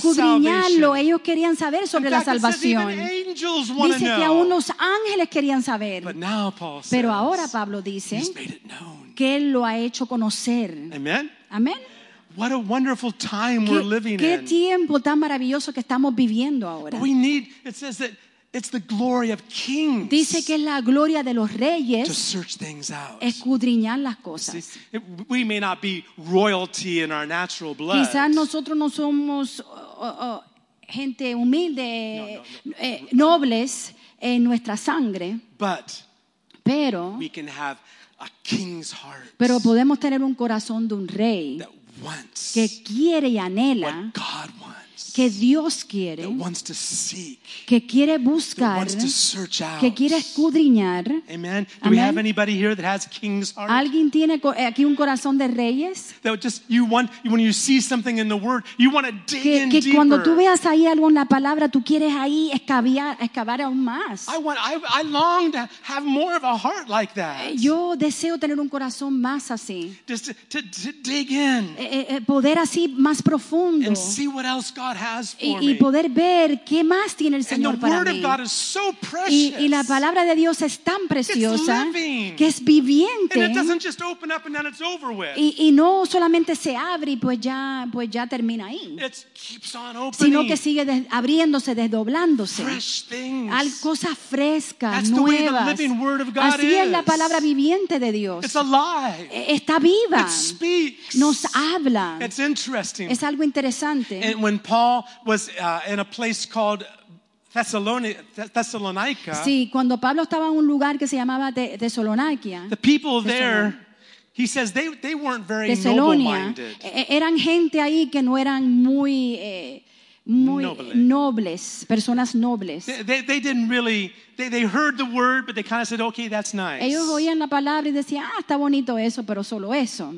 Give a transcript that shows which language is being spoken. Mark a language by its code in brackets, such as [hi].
[en] salvation. [es] Escudriñarlo, ellos querían saber sobre [en] fact, [es] la salvación. [en] It says even angels want to know. [es] Dice que aún los ángeles querían saber. [en] But now Paul says, [es] pero ahora Pablo dice, [en] he's made it known. [es] Que él lo ha hecho conocer. Amen. Amen. [en] What a wonderful time we're living in. [es] Qué tiempo tan maravilloso que estamos viviendo ahora. [en] We need, it says that it's the glory of kings. [es] Dice que es la gloria de los reyes. [en] To search things out. [es] Escudriñar las cosas. [en] See, we may not be royalty in our natural blood. [es] Quizás nosotros no somos gente humilde, nobles en nuestra sangre. [en] But [es] pero, [en] we can have a king's heart. [es] Pero podemos tener un corazón de un rey. Que quiere y anhela, [en] what God wants, [es] que Dios quiere, [en] that wants to seek, [es] que quiere buscar, [en] that wants to search out, [es] que quiere escudriñar. Amen. [en] Do Amen. We have anybody here that has king's heart? [es] ¿Alguien tiene aquí un corazón de reyes? [en] That just you want when you see something in the word, you want to dig [es] que, [en] in deeper. [es] Que cuando tú veas ahí algo en la palabra, tú quieres ahí excavar aún más. [en] I long to have more of a heart like that. [es] Yo deseo tener un corazón más así. [en] Just to dig in. [es] Poder así más profundo. [en] And see what else God has for [es] y poder ver qué más tiene. [en] And the word [es] para [en] of God is so precious. [es] Y la palabra de Dios es tan preciosa, [en] it's living, [es] que es viviente. [en] And it doesn't just open up and then it's over with. [es] Y no solamente se abre y pues ya termina ahí. [en] It keeps on opening. [es] Sino que sigue abriéndose, desdoblándose. [en] Fresh things. [es] Cosas frescas, [en] that's [es] nuevas. [en] The way the living word of God [es] así [en] is. [es] Es la palabra viviente de Dios. [en] It's alive. [es] Está viva. [en] It speaks. [es] Nos habla. [en] It's interesting. [es] Es algo interesante. [en] And when Paul was in a place called Thessalonica. [es] Sí, cuando Pablo estaba en un lugar que se llamaba Tesalónica. [en] The people there, he says they weren't very noble-minded. [es] Eran gente ahí que no eran muy muy noble. Nobles, personas nobles. [en] They didn't really. They heard the word, but they kind of said, "Okay, that's nice." [es] Ellos oían la palabra y decían, "Ah, está bonito eso, pero solo eso."